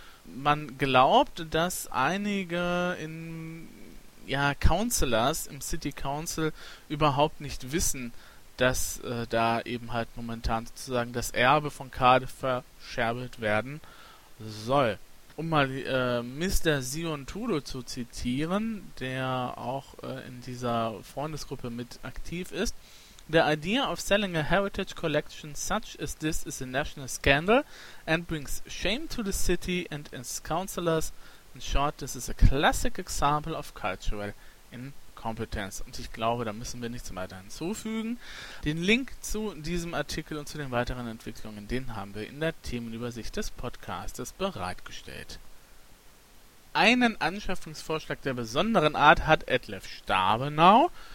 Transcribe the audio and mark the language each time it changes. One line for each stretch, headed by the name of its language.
German: Man glaubt, dass einige in ja, Councillors im City Council überhaupt nicht wissen, dass da eben halt momentan sozusagen das Erbe von Cardiff verscherbelt werden soll. Um mal Mr. Sion Tudo zu zitieren, der auch in dieser Freundesgruppe mit aktiv ist,
English: The idea of selling a heritage collection such as this is a national scandal and brings shame to the city and its councillors. In short, this is a classic example of cultural incompetence.
German: Und ich glaube, da müssen wir nichts weiter hinzufügen. Den Link zu diesem Artikel und zu den weiteren Entwicklungen, den haben wir in der Themenübersicht des Podcasts bereitgestellt. Einen Anschaffungsvorschlag der besonderen Art hat Detlef Stabenow.